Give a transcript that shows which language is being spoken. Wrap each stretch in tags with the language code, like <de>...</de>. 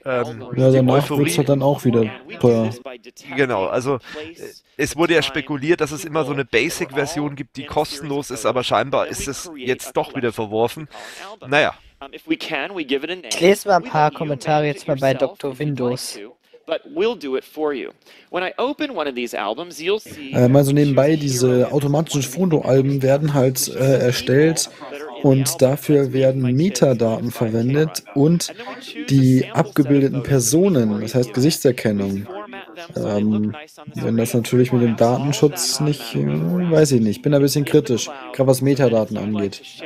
<de>Ja, der Neue wird es halt dann auch wieder teuer. Genau, also es wurde ja spekuliert, dass es immer so eine Basic-Version gibt, die kostenlos ist, aber scheinbar ist es jetzt doch wieder verworfen. Naja. Ich lese mal ein paar Kommentare jetzt mal bei Dr. Windows.</de> <en>But we'll do it for you. When I open one of these albums, you'll see.</en> <de>Mal so nebenbei, diese automatischen Fotoalben werden halt erstellt und dafür werden Metadaten verwendet und die abgebildeten Personen, das heißt Gesichtserkennung. Wenn das natürlich mit dem Datenschutz nicht, weiß ich nicht, bin ein bisschen kritisch, gerade was Metadaten angeht.</de>